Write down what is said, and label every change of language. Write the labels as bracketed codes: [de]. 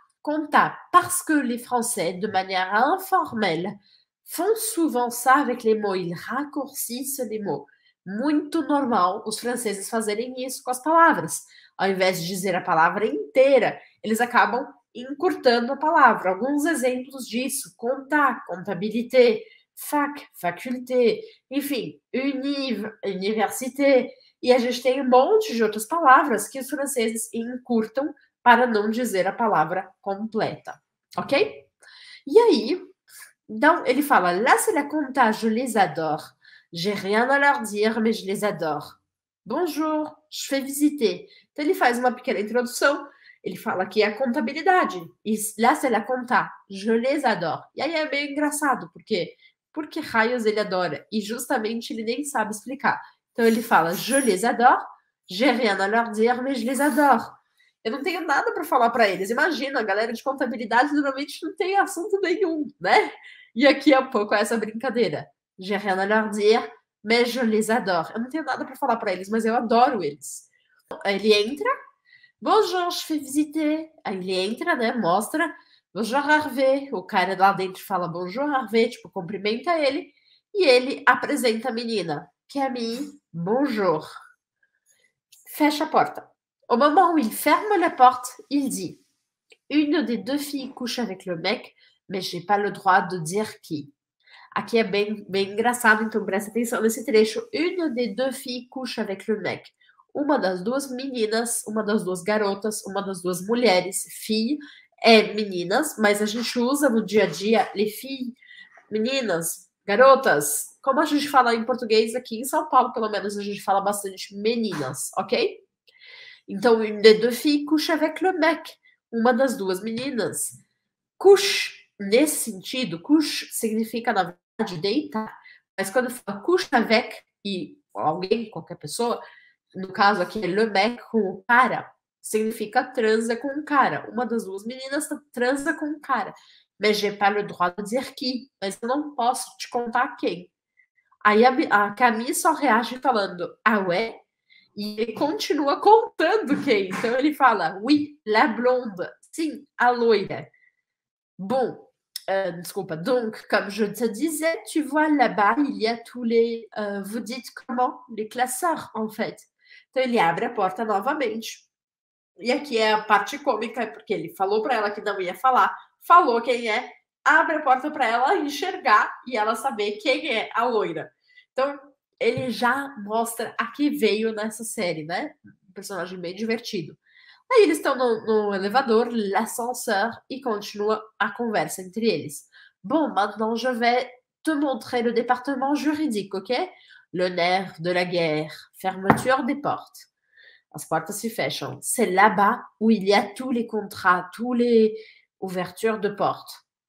[fr] Conta, parce que les Français, de manière informelle, font souvent ça avec les mots, ils raccourcissent les mots. [pt] Muito normal os franceses fazerem isso com as palavras. Ao invés de dizer a palavra inteira, eles acabam encurtando a palavra. Alguns exemplos disso: conta, comptabilité. Faculté, enfim, université. E a gente tem um monte de outras palavras que os franceses encurtam para não dizer a palavra completa. Ok? E aí, então, ele fala: [fr] Là, c'est la compta, je les adore. J'ai rien à leur dire, mais je les adore. Bonjour, je fais visiter. [pt] Então ele faz uma pequena introdução. Ele fala que é a contabilidade. E lá se ela contar, [fr] je les adore. [pt] E aí é meio engraçado, porque por que raios ele adora? E justamente ele nem sabe explicar. Então ele fala, [fr] je les adore, j'ai rien à leur dire, mais je les adore. [pt] Eu não tenho nada para falar para eles. Imagina, a galera de contabilidade normalmente não tem assunto nenhum, né? E aqui é um pouco essa brincadeira. [fr] J'ai rien à leur dire, mais je les adore. [pt] Eu não tenho nada para falar para eles, mas eu adoro eles. Ele entra. [fr] Bonjour, je fais visiter. [pt] Aí ele entra, né? Mostra. Bonjour, Harvey. O cara lá dentro fala bonjour, Harvey. Tipo, cumprimenta ele. E ele apresenta a menina. Que é a mim. Bonjour. Fecha a porta. [fr] Au moment où il ferme la porte, il dit: Une des deux filles couche avec le mec, mais j'ai pas le droit de dire qui. [pt] Aqui é bem engraçado, então presta atenção nesse trecho. [fr] Une des deux filles couche avec le mec. [pt] Uma das duas meninas, uma das duas garotas, uma das duas mulheres, filles, é meninas, mas a gente usa no dia a dia les filles, meninas, garotas, como a gente fala em português aqui em São Paulo, pelo menos a gente fala bastante meninas, ok? Então, [fr] une des deux filles couche avec le mec, [pt] uma das duas meninas. Couche, nesse sentido, couche significa, na verdade, deitar, mas quando fala couche avec e alguém, qualquer pessoa, no caso aqui, le mec com o cara, significa transa com o cara. Uma das duas meninas transa com o cara. [fr] Mais j'ai pas le droit de dire qui. [pt] Mas eu não posso te contar quem. Aí a Camille só reage falando, ah, ouais? E ele continua contando quem. Então ele fala, [fr] oui, la blonde. [pt] Sim, a loira. Bom, desculpa. [fr] Donc, comme je te disais, tu vois là-bas, il y a tous les. Vous dites comment? Les classeurs, en fait. [pt] Então ele abre a porta novamente. E aqui é a parte cômica, porque ele falou para ela que não ia falar, falou quem é, abre a porta para ela enxergar e ela saber quem é a loira. Então ele já mostra a que veio nessa série, né? Um personagem bem divertido. Aí eles estão no elevador, l'ascenseur, e continua a conversa entre eles. [fr] Bom, maintenant je vais te montrer le département juridique, ok? Le nerf de la guerre, fermeture des portes. [pt] As portas se fecham. [fr] C'est là-bas où il y a tous les contrats, toutes les ouvertures de portes.